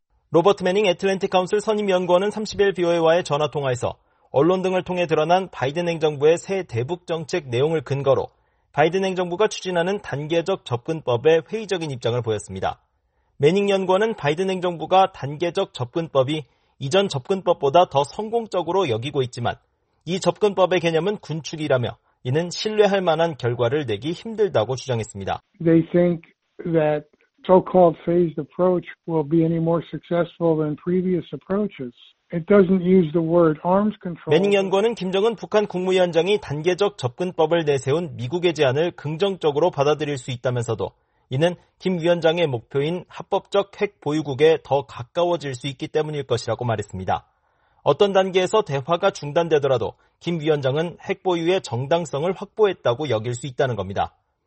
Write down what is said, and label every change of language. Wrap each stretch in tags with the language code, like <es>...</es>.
<ko>로버트 매닝 애틀랜틱 카운슬 선임 연구원은 30일 BOA와의 전화통화에서 언론 등을 통해 드러난 바이든 행정부의 새 대북 정책 내용을 근거로 바이든 행정부가 추진하는 단계적 접근법의 회의적인 입장을 보였습니다. 매닝 연구원은 바이든 행정부가 단계적 접근법이 이전 접근법보다 더 성공적으로 여기고 있지만 이 접근법의 개념은 군축이라며 이는 신뢰할 만한 결과를 내기 힘들다고 주장했습니다.</ko> <en>They think that so-called phased approach will be any more successful than previous approaches. It doesn't use the word arms control.</en> <ko>매닝 연구원은 김정은 북한 국무위원장이 단계적 접근법을 내세운 미국의 제안을 긍정적으로 받아들일 수 있다면서도 이는 김 위원장의 목표인 합법적 핵 보유국에 더 가까워질 수 있기 때문일 것이라고 말했습니다. 어떤 단계에서 대화가 중단되더라도 김 위원장은 핵 보유의 정당성을 확보했다고 여길 수 있다는 겁니다.</ko>